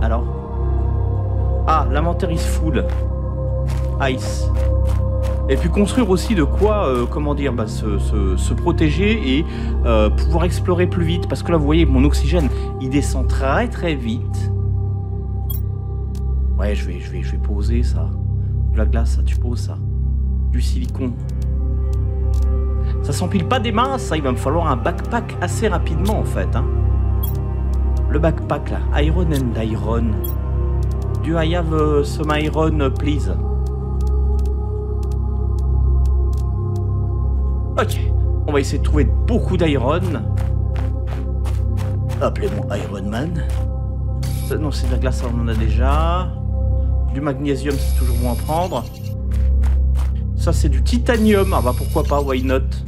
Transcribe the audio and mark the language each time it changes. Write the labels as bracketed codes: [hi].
[fr] Alors, ah, l'inventaire [en] is full ice, [fr] et puis construire aussi de quoi se protéger et pouvoir explorer plus vite, parce que là vous voyez mon oxygène il descend très très vite. Ouais, je vais poser ça, de la glace, ça, tu poses ça, du silicone. Ça s'empile pas des mains, ça. Il va me falloir un backpack assez rapidement, en fait. Hein. Le backpack, là. [en] Iron and iron. Do I have some iron, please? Ok. [fr] On va essayer de trouver beaucoup d'iron. Appelez-moi Iron Man. Non, c'est de la glace, on en a déjà. Du magnésium, c'est toujours bon à prendre. Ça, c'est du titanium. Ah bah, pourquoi pas, [en] why not?